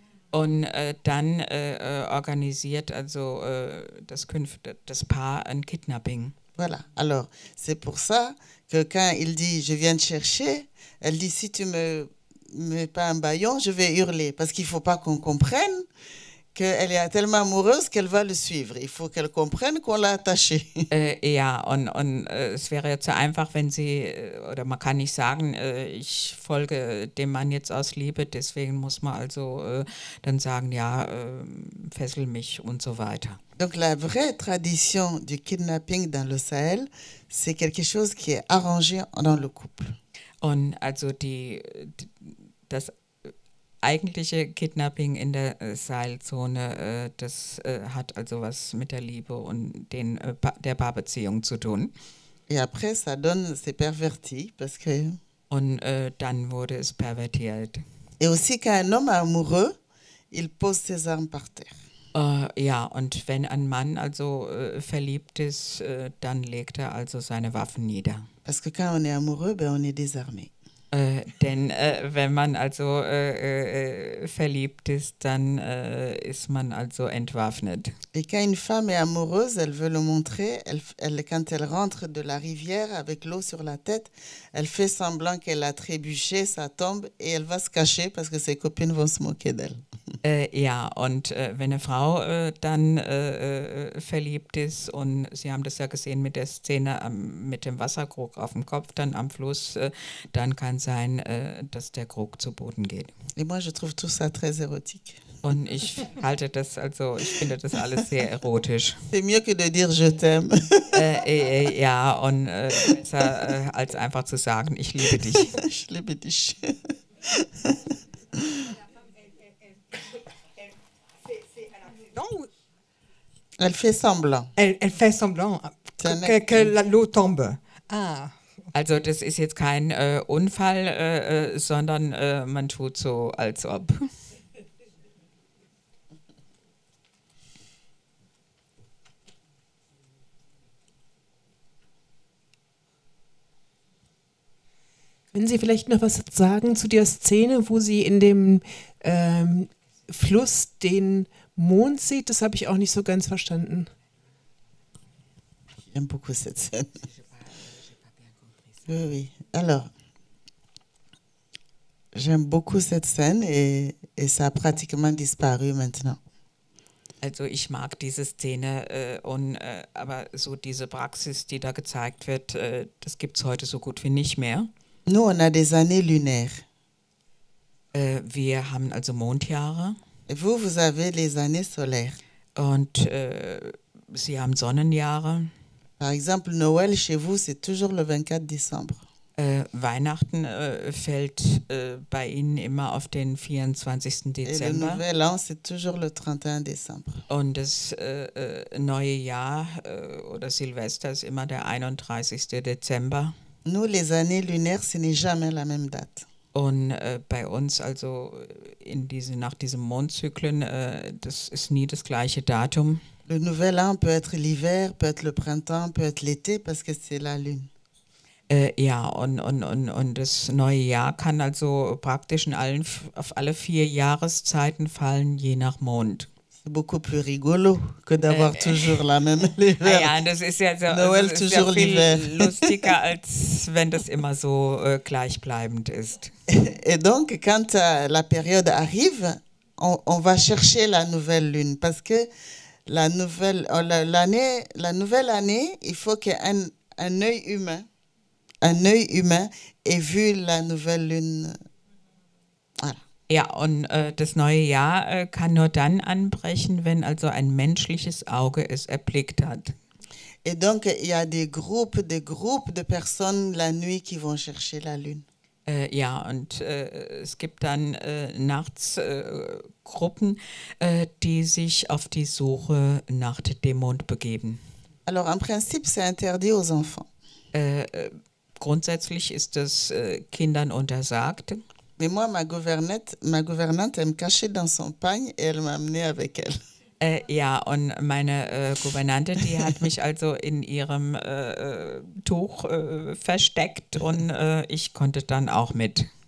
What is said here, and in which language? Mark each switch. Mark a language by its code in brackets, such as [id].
[de] Und dann organisiert also das Paar ein Kidnapping. [fr] Voilà. Alors, c'est pour ça que quand il dit je viens te chercher, elle dit si tu me mets pas un baillon, je vais hurler. Parce qu'il faut pas qu'on comprenne qu'elle est tellement amoureuse qu'elle va le suivre. Il faut qu'elle comprenne qu'on l'a attaché. [de] Ja, und es wäre jetzt so einfach, wenn sie, oder man kann nicht sagen, ich folge dem Mann jetzt aus Liebe, deswegen muss man also dann sagen, ja, fessel mich und so weiter. [fr] Donc la vraie tradition du kidnapping dans le Sahel, c'est quelque chose qui est arrangé dans le couple. [de] Und also das eigentliche Kidnapping in der Seilzone, das hat also was mit der Liebe und der Paarbeziehung zu tun. [fr] Et après, ça donne, c'est perverti, parce que [de] und dann wurde es pervertiert. [fr] Et aussi, quand un homme amoureux, il pose ses armes par terre. [de] Ja, und wenn ein Mann also verliebt ist, dann legt er also seine Waffen nieder. [fr] Parce que quand on est amoureux, ben on est désarmé. [de] Denn wenn man also verliebt ist, dann ist man also entwaffnet. [fr] Et quand une femme est amoureuse, elle veut le montrer. Quand elle rentre de la rivière avec l'eau sur la tête, elle fait semblant qu'elle a trébuché, ça tombe et elle va se cacher parce que ses copines vont se moquer d'elle. [de] Ja, und wenn eine Frau dann verliebt ist und Sie haben das ja gesehen mit der Szene mit dem Wasserkrug auf dem Kopf, dann am Fluss, dann kann sein, dass der Krug zu Boden geht. [fr] Et moi, je trouve tout ça très érotique. [de] Und ich halte das, also ich finde das alles sehr erotisch. [fr] C'est mieux que de dire je t'aime. [de] Ja, und besser als einfach zu sagen, ich liebe dich. Ich liebe dich. [fr] Elle fait semblant. Elle fait semblant que l'eau tombe. Ah. [de] Also das ist jetzt kein Unfall, sondern man tut so, als ob. Können Sie vielleicht noch was sagen zu der Szene, wo Sie in dem Fluss den Mond sieht, das habe ich auch nicht so ganz verstanden. [fr] J'aime beaucoup cette scène. Oui, oui. Alors, j'aime beaucoup cette scène et ça a pratiquement disparu maintenant. [de] Also ich mag diese Szene, aber so diese Praxis, die da gezeigt wird, das gibt es heute so gut wie nicht mehr. [fr] Nous, on a des années lunaires. [de] Wir haben also Mondjahre. [fr] Et vous, vous avez les années solaires. [de] Und Sie haben Sonnenjahre. [fr] Par exemple, Noël chez vous, c'est toujours le 24 décembre. [de] Weihnachten fällt bei Ihnen immer auf den 24. Dezember. [fr] Et le nouvel an, c'est toujours le 31 décembre. [de] Und das neue Jahr oder Silvester ist immer der 31. Dezember. [fr] Nous, les années lunaires, ce n'est jamais la même date. [de] Und bei uns, also in diese, nach diesem Mondzyklen, das ist nie das gleiche Datum. [fr] Le nouvel an peut être l'hiver, peut être le printemps, peut être l'été, parce que c'est la lune. [de] Ja, und das neue Jahr kann also praktisch in allen, auf alle vier Jahreszeiten fallen, je nach Mond. [fr] C'est beaucoup plus rigolo que d'avoir toujours la même l'hiver. [de] Ja, das ist ja so, Noël, das ist [fr] toujours l'hiver. [de] Lustiger, als wenn das immer so gleichbleibend ist. [fr] Et donc, quand la période arrive, on va chercher la nouvelle lune, parce que la nouvelle année, il faut qu'un œil humain ait vu la nouvelle lune. Voilà. [de] Ja, und das neue Jahr kann nur dann anbrechen, wenn also ein menschliches Auge es erblickt hat. [fr] Et donc, il y a des groupes de personnes la nuit qui vont chercher la lune. [de] Ja, und es gibt dann nachts Gruppen, die sich auf die Suche nach dem Mond begeben. [fr] Alors, en principe, c'est interdit aux enfants. [de] Grundsätzlich ist das Kindern untersagt. [fr] Mais moi, ma gouvernante, elle me cachait dans son pagne et elle m'a amené avec elle. [de] Ja, und meine Gouvernante, die hat mich also in ihrem Tuch versteckt und ich konnte dann auch mit.